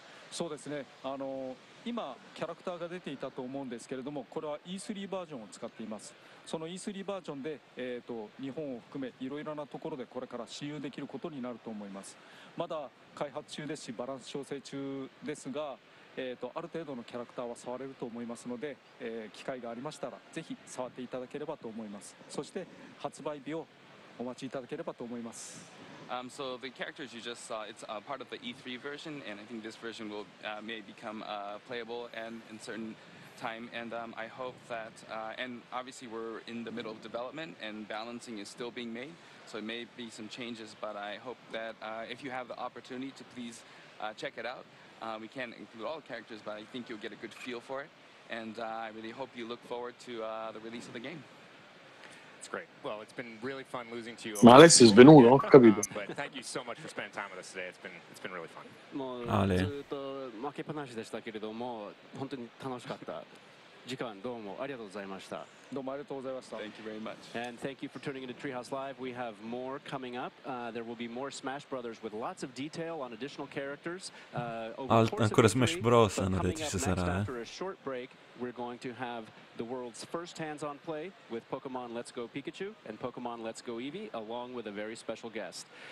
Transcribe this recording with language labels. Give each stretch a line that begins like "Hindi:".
Japanese: そうですね。あの今キャラクターが出ていたと思うんですけれども、これはE3バージョンを使っています。そのE3バージョンで、日本を含めいろいろなところでこれから試遊できることになると思います。まだ開発中ですし、バランス調整中ですが、ある程度のキャラクターは触れると思いますので、機会がありましたらぜひ触っていただければと思います。そして発売日をお待ちいただければと思います。
English: So the characters you just saw, it's a part of the E3 version, and I think this version will may become playable and in certain time. And I hope that, and obviously we're in the middle of development and balancing is still being made, so it may be some changes, but I hope that if you have the opportunity to please check it out. We can't include all the characters, but I think you'll get a good feel for it. And I really hope you look forward to the release of the game. Well, it's been really fun losing to you.
Italian: Ma Alex è svenuto, ho capito.
English: Thank you so much for spending time with us today. It's been really fun.
Japanese: もうずっと負けっぱなしでしたけれども、本当に楽しかった時間、どうもありがとうございました。どうもありがとうございました。
English: Thank you very much. And thank you for tuning into Treehouse Live. We have more coming up. There will be more Smash Brothers with lots of detail on additional characters.
Italian: Ancora Smash Bros, hanno detto ci sarà,
English: We're going to have the world's first hands-on play with Pokemon Let's Go Pikachu and Pokemon Let's Go Eevee, along with a very special guest.